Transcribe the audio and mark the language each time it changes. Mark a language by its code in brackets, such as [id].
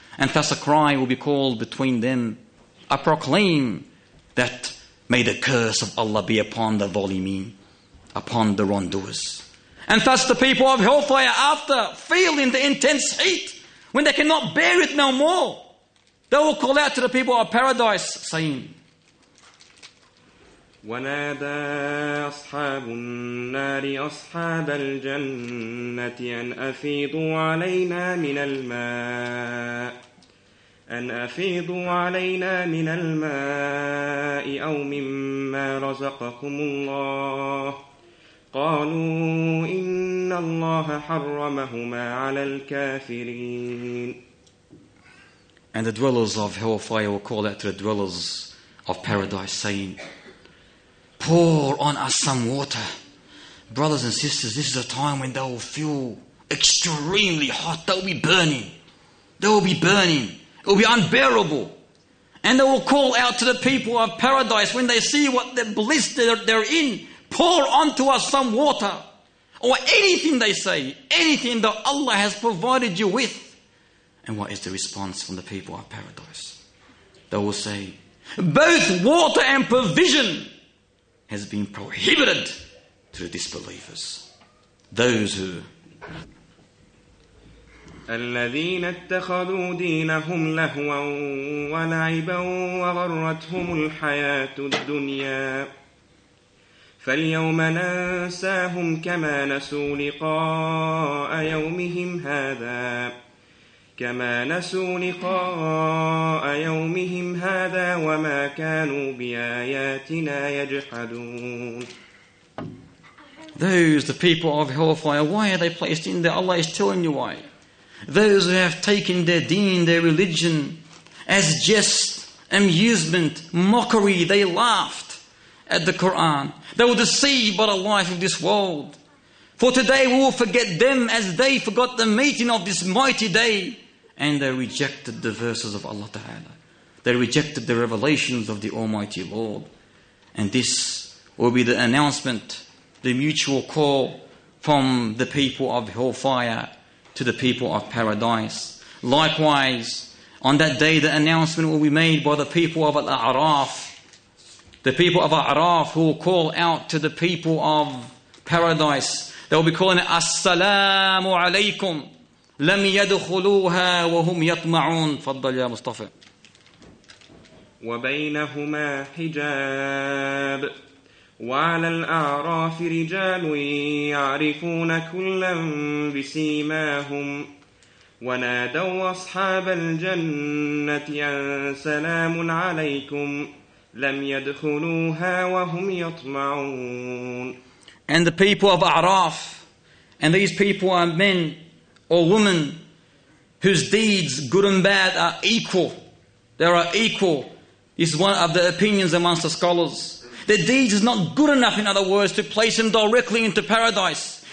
[en] And thus a cry will be called between them. I proclaim that may the curse of Allah be upon the zalimin, upon the wrongdoers. And thus the people of hellfire, after feeling the intense heat, when they cannot bear it no more, they will call out to the people of paradise, saying, [ar] ونادى أصحاب النار أصحاب الجنة أن أفيضوا علينا من الماء أن أفيضوا علينا من الماء أو مما رزقكم الله قالوا إن الله حرمهما على الكافرين. [en] And the dwellers of hellfire will call out to the dwellers of paradise saying, Pour on us some water. Brothers and sisters, this is a time when they will feel extremely hot. They will be burning. They will be burning. It will be unbearable. And they will call out to the people of paradise when they see what the bliss they're in. Pour onto us some water. Or anything they say. Anything that Allah has provided you with. And what is the response from the people of paradise? They will say, Both water and provision has been prohibited to the disbelievers. Those who [ar] الذين اتخذوا دينهم لهوا ولعبا وغرتهم الحياة الدنيا فاليوم ننساهم كما نسوا لقاء يومهم هذا كما نسوا لقاء يومهم هذا وما كانوا بآياتنا يجحدون. [en] Those the people of hellfire, why are they placed in there? Allah is telling you why. Those who have taken their deen, their religion, as jest, amusement, mockery, they laughed at the Quran. They were deceived by the life of this world. For today we will forget them as they forgot the meeting of this mighty day. And they rejected the verses of Allah Ta'ala. They rejected the revelations of the Almighty Lord. And this will be the announcement, the mutual call from the people of hellfire to the people of paradise. Likewise, on that day the announcement will be made by the people of Al-A'raf. The people of Al-A'raf who will call out to the people of paradise. They will be calling it, As-salamu alaykum. [ar] لم يدخلوها وهم يطمعون فضل يا مصطفى وبينهما حجاب وعلى الأعراف رجال يعرفون كلا بسيماهم ونادوا أصحاب الجنة أن سلام عليكم لم يدخلوها وهم يطمعون [en] And the people of Araf and these people are men or women whose deeds, good and bad, are equal. They are equal. This is one of the opinions amongst the scholars. Their deeds is not good enough, in other words, to place them directly into paradise.